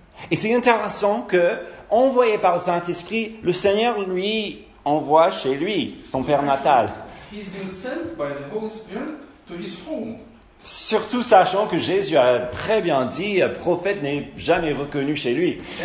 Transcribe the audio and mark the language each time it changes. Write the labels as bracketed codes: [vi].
[fr] Et c'est intéressant que, envoyé par le Saint-Esprit, le Seigneur lui envoie chez lui, son père natal. [en] He's been sent by the Holy Spirit to his home. [fr] Surtout sachant que Jésus a très bien dit, un prophète n'est jamais reconnu chez lui.